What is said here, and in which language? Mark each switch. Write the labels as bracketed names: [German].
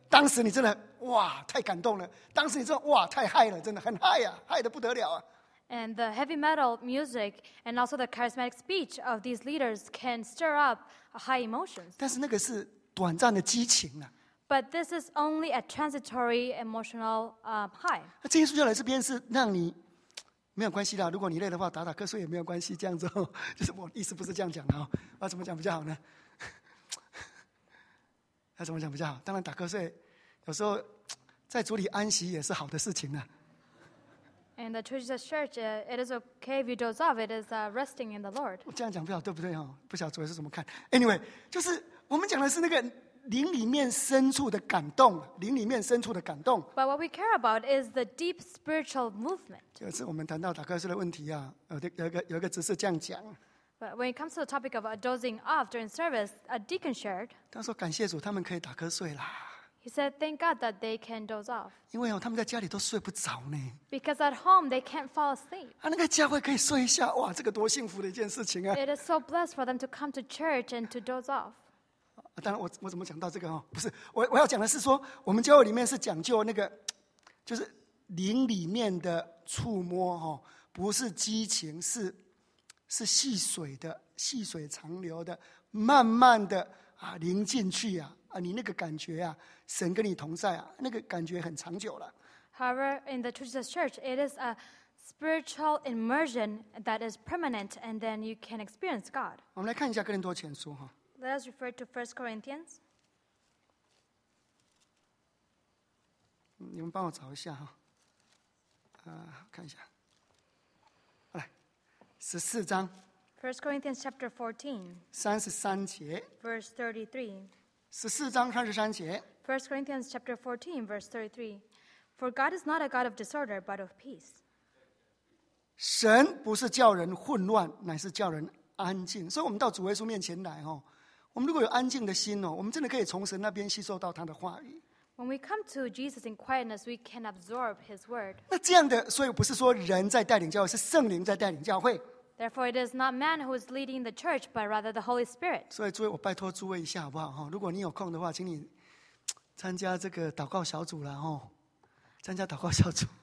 [Chinese] 当时你真的哇太感动了，当时你真的哇太嗨了，真的很嗨啊，嗨得不得了啊。 [English] And the heavy metal music and also the charismatic speech of these leaders can stir up high emotions. [Chinese] 但是那个是短暂的激情啊。 [English] But this is only a transitory emotional high. [Chinese] 那这些书教来这边是让你没有关系的，如果你累的话打打瞌睡也没有关系，这样子就是我意思不是这样讲的，那怎么讲比较好呢？那怎么讲比较好？当然打瞌睡，有时候在主里安息也是好的事情呢。 [English] In the traditional church, it is okay if you doze off. It is resting in the Lord. [Chinese] 我这样讲不好，对不对？不晓得主是怎么看。 [English] Anyway, [Chinese] 就是我们讲的是那个灵里面深处的感动，灵里面深处的感动。 [English] But what we care about is the deep spiritual movement. [Chinese] 有一次我们谈到打瞌睡的问题啊，有一个执事这样讲。 [English] But when it comes to the topic of dozing off during service, a deacon shared. [Chinese] 他说感谢主，他们可以打瞌睡啦。 [English] He said, "Thank God that they can doze off." [Chinese] 因为他们在家里都睡不着呢。 [English] Because at home they can't fall asleep. [Chinese] 那个教会可以睡一下，哇，这个多幸福的一件事情啊！ [English] It is so blessed for them to come to church and to doze off. [Chinese] 当然我怎么讲到这个哦？不是，我要讲的是说，我们教会里面是讲究那个，就是灵里面的触摸哦，不是激情，是细水的，细水长流的，慢慢的啊，淋进去啊，你那个感觉啊，神跟你同在啊，那个感觉很长久了。 [English] However, in the traditional church, it is a spiritual immersion that is permanent, and then you can experience God. [Chinese] 我们来看一下哥林多前书哈。 [English] Let us refer to 1 Corinthians. [Chinese] 你们帮我找一下哈，看一下。十四章 [English] ，First Corinthians chapter 14, [Chinese] 三十三节 [English] ，Verse 33. [Chinese] 十四章三十三节 [English] ，First Corinthians chapter 14, verse 33. For God is not a God of disorder, but of peace. [Chinese] 神不是叫人混乱，乃是叫人安静。所以，我们到主耶稣面前来，我们如果有安静的心，我们真的可以从神那边吸收到他的话语。 [English] When we come to Jesus in quietness, we can absorb His word. [Chinese] 那这样的，所以不是说人在带领教会，是圣灵在带领教会。 [English] Therefore, it is not man who is leading the church, but rather the Holy Spirit. [Chinese] 所以诸位，我拜托诸位一下好不好？如果你有空的话，请你参加这个祷告小组啦，参加祷告小组。